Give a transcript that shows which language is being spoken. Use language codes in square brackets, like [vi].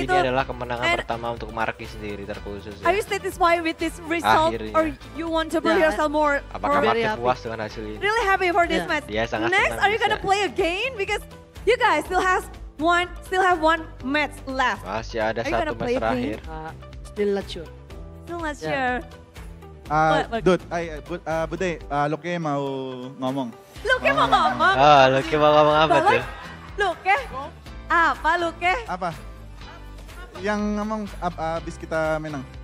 [id] Tapi ini adalah kemenangan pertama untuk Marky sendiri terkhusus. [en] Are you satisfied with this result or you want to prove yourself more? [id] Apakah Marky puas dengan hasil ini? [en] Really happy for this match. [id] Dia sangat senang. [en] Next, are you gonna play again? Because you guys still have one match left. [id] Masih ada satu match terakhir. [en] Still not sure. [id] Bude, Luke mau ngomong. Luke mau ngomong? Luke mau ngomong apa tuh? Luke? Apa Luke? Apa? Yang ngomong abis kita menang.